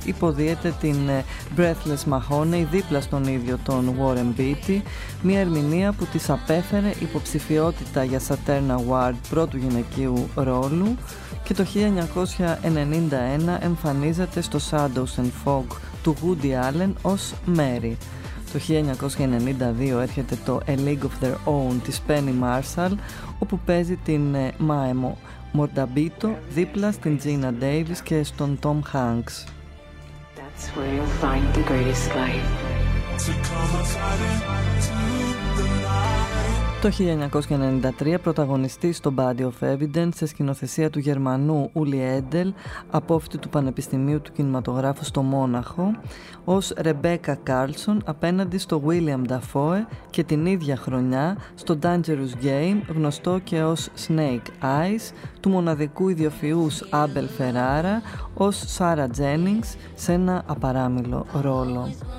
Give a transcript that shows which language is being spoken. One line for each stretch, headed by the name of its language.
Greek: Υποδύεται την Breathless Mahoney δίπλα στον ίδιο τον Warren Beatty, μια ερμηνεία που της απέφερε υποψηφιότητα για Saturn Award πρώτου γυναικείου ρόλου, και το 1991 εμφανίζεται στο Shadows and Fog του Woody Allen ως Mary. Το 1992 έρχεται το A League of Their Own της Penny Marshall, όπου παίζει την Maemo Mordabito δίπλα στην Gina Davis και στον Tom Hanks.
English: That's where you'll find the greatest life.
Greek: Το 1993 πρωταγωνιστεί στο Body of Evidence σε σκηνοθεσία του Γερμανού Ούλι Έντελ, απόφοιτη του Πανεπιστημίου του Κινηματογράφου στο Μόναχο, ως Ρεμπέκα Κάρλσον απέναντι στο Βίλιαμ Νταφόε, και την ίδια χρονιά στο Dangerous Game, γνωστό και ως Snake Eyes, του μοναδικού ιδιοφυούς Άμπελ Φεράρα ως Σάρα Τζένινγκς σε ένα απαράμιλο ρόλο.